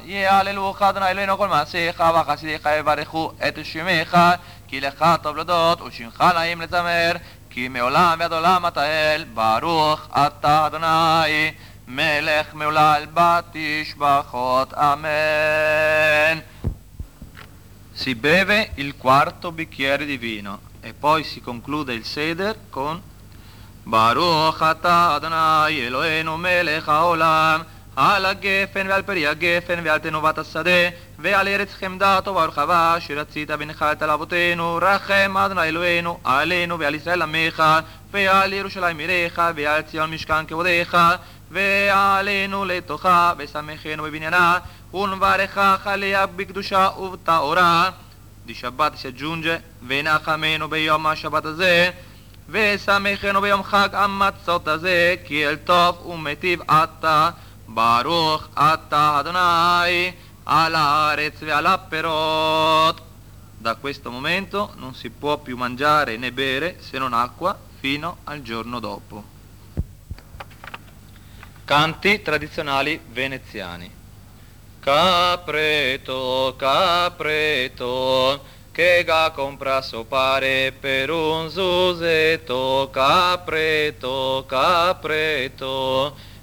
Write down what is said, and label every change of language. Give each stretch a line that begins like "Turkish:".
Hebrew: יהללוך אדוני אלוהינו כל מעשיך וחסידיך יברכו את שמך, כי לך טוב לדעות ושמך נעים לזמר, כי מעולם ועד עולם אתה אל, ברוך אתה אדוני, מלך מהולל בת תשבחות, אמן.
Italian: Si beve il quarto bicchiere di vino e poi si conclude il seder con
Hebrew: ברוך אתה אדוני אלוהינו מלך העולם על הגפן ועל פרי הגפן ועל תנובת השדה ועל ארץ חמדה טובה ורחבה שרצית ונחלת על אבותינו רחם אדוני אלוהינו עלינו ועל ישראל עמך ועל ירושלים עיריך ועל ציון משכן כבודיך ועלינו לתוכה ושמחנו בבניינה ונברכך עליה בקדושה ובטהרה דשבת שג'ונג'ה ונחמנו ביום השבת הזה ושמחנו ביום חג המצות הזה כי אל טוב ומטיב אתה ברוך אתה אדוני על הארץ ועל הפירות.
Italian: Da questo momento non si può più mangiare né bere se non acqua fino al giorno dopo. Canti tradizionali veneziani.
Venetian: Capreto, capreto, che ga compra suo pare per un zuzetto, capreto, capreto.